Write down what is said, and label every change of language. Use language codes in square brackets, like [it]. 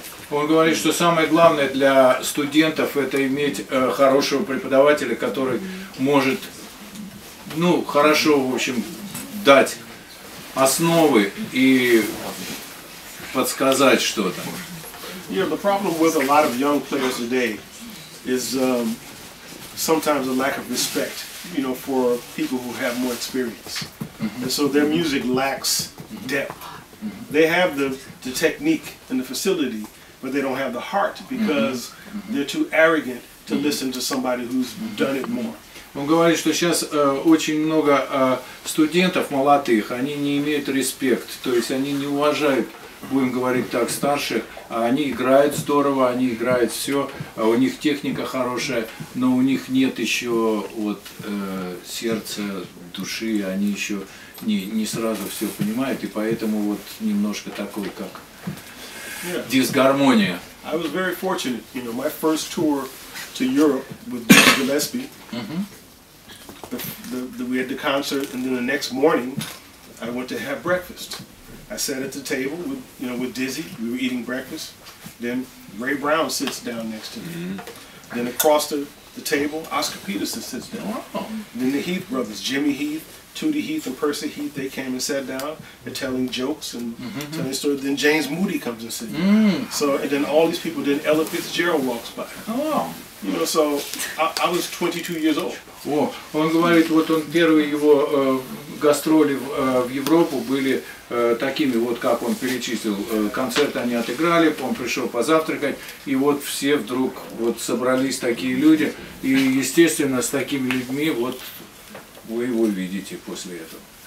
[ru] Он говорит, что самое главное для студентов это иметь хорошего преподавателя, который может, хорошо, в общем, дать основы и подсказать что-то. [en] Yeah, the problem with a lot of young players today is sometimes a lack of respect, for people who have more experience, and so their music lacks depth. They have the technique and the facility, but they don't have the heart because they're too arrogant to listen to somebody who's done it more. [ru] Он говорит, что сейчас очень много студентов молодых, они не имеют респект, то есть они не уважают будем говорить так, старших, они играют здорово, они играют все, у них техника хорошая, но у них нет еще вот сердца, души, они еще не сразу все понимают, и поэтому вот немножко такой, как дисгармония. [en] I was very fortunate, you know, my first tour to Europe with Dizzy Gillespie. We had the concert, and then the next morning, I went to have breakfast. I sat at the table with, you know, with Dizzy. We were eating breakfast. Then Ray Brown sits down next to me. Mm-hmm. Then across the table, Oscar Peterson sits down. Wow. Then the Heath brothers, Jimmy Heath, Tootie Heath, and Percy Heath, they came and sat down. They're telling jokes and telling stories. Then James Moody comes and sits down. Mm. So, and then all these people, then Ella Fitzgerald walks by. Oh. You know, so I was 22 years old. [ru] О, он говорит, вот он первые его гастроли в Европу были такими, вот как он перечислил, концерт они отыграли, он пришел позавтракать, и вот все вдруг вот собрались такие люди, и естественно с такими людьми вот вы его видите после этого.